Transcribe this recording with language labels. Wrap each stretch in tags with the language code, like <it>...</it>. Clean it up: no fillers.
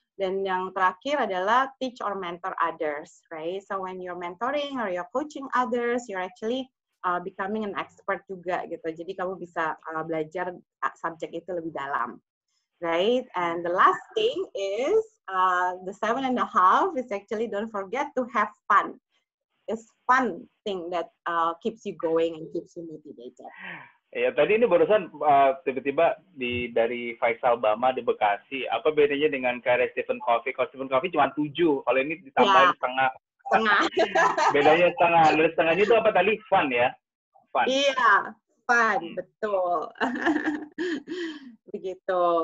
<id>Dan yang terakhir adalah</id> <en>teach or mentor others, right? So when you're mentoring or you're coaching others, you're actually becoming an expert</en> <id>juga gitu. Jadi kamu bisa belajar subjek itu lebih dalam.</id> <en>Right? And the last thing is the 7.5 is actually don't forget to have fun. It's fun thing that keeps you going and keeps you motivated.</en> <id>Ya, tadi ini barusan tiba-tiba dari Faisal Bama di Bekasi. Apa bedanya dengan karya Stephen Covey? Kalau Stephen Covey cuma 7, kalau ini ditambahin setengah. Bedanya setengah, dari setengahnya itu apa tadi? Fun ya? Fun. Iya, fun, betul. Begitu.</id>